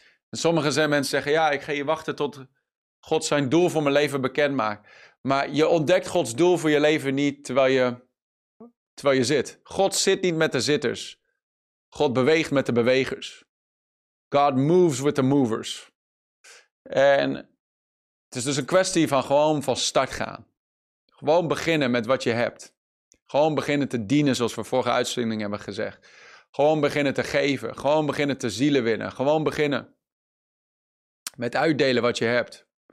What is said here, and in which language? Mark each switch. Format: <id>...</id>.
<nl>En sommige mensen zeggen, ja, ik ga hier wachten tot God zijn doel voor mijn leven bekend maakt. Maar je ontdekt Gods doel voor je leven niet terwijl je zit. God zit niet met de zitters. God beweegt met de bewegers.</nl> <en>God moves with the movers.</en> <nl>En het is dus een kwestie van gewoon van start gaan. Gewoon beginnen met wat je hebt. Gewoon beginnen te dienen, zoals we vorige uitzending hebben gezegd. Gewoon beginnen te geven. Gewoon beginnen te zielen winnen. Gewoon beginnen met uitdelen wat je hebt.</nl>